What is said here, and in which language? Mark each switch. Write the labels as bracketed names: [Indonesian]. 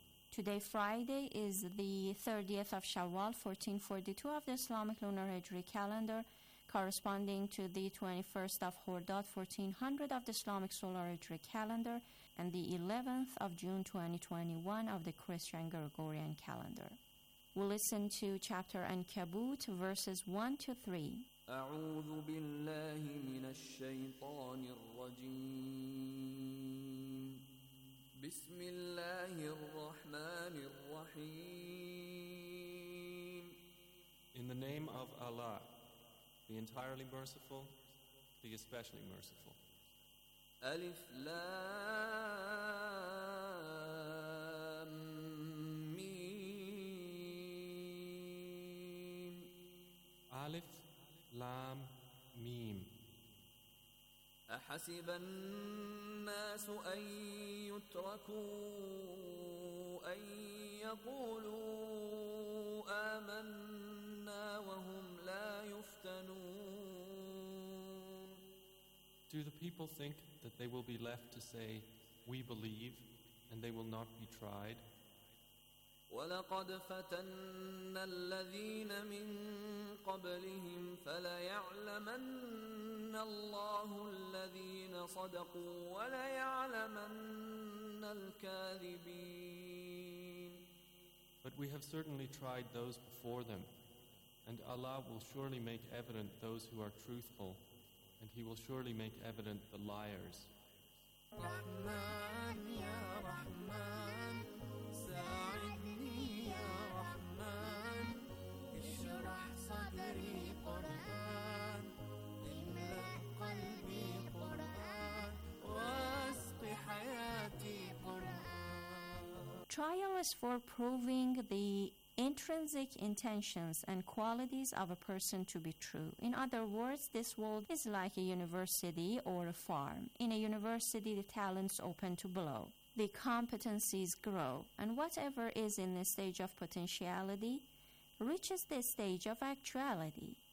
[English] Today, Friday, is the 30th of Shawwal, 1442 of the Islamic Lunar Hijri calendar, corresponding to the 21st of Hordad, 1400 of the Islamic Solar Hijri calendar, and the 11th of June, 2021 of the Christian Gregorian calendar. We'll listen to Chapter Ankabut, verses 1 to 3. [Arabic] أعوذ بالله من الشيطان الرجيم بسم الله الرحمن الرحيم. [English] In the name of Allah, the entirely merciful, the especially merciful. [Arabic] ألف لام ميم. ألف لام ميم. أحسب الناس أن يتركوا أن يقولوا آمنا وهم لا يفتنون. [English] Do the people think that they will be left to say, we believe, and they will not be tried? [Arabic] وَلَقَدْ فَتَنَّ الَّذِينَ مِنْ قَبْلِهِمْ فَلَيَعْلَمَنَّ اللَّهُ الَّذِينَ صَدَقُوا وَلَيَعْلَمَنَّ الْكَاذِبِينَ. [English] But we have certainly tried those before them, and Allah will surely make evident those who are truthful, and He will surely make evident the liars. [Arabic] رحمن يا رحمن ساعدني يا رحمن اشرح صدري قرآن املأ قلبي قرآن واسق حياتي قرآن. [English] Trial is for proving the intrinsic intentions and qualities of a person to be true. In other words, this world is like a university or a farm. In a university, the talents open to blow, the competencies grow, and whatever is in the stage of potentiality reaches the stage of actuality.